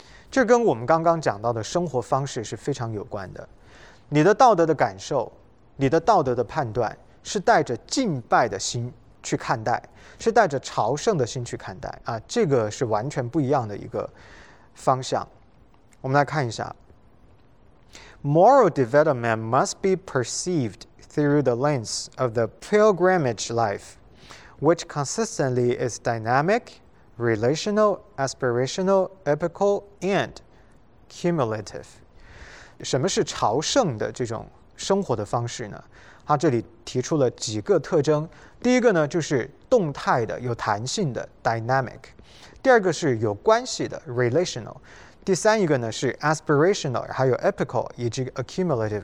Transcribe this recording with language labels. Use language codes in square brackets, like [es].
[zh] 这跟我们刚刚讲到的生活方式是非常有关的。你的道德的感受，你的道德的判断，是带着敬拜的心去看待，是带着朝圣的心去看待啊，这个是完全不一样的一个方向。我们来看一下， [en] Moral development must be perceived through the lens of the pilgrimage life, which consistently is dynamic, relational, aspirational, epical, and cumulative。 [zh] 什么是朝圣的这种生活的方式呢？他这里提出了几个特征。第一个呢，就是动态的、有弹性的 （dynamic）。第二个是有关系的 （relational）。第三一个呢，是 aspirational，还有 epical 以及 accumulative。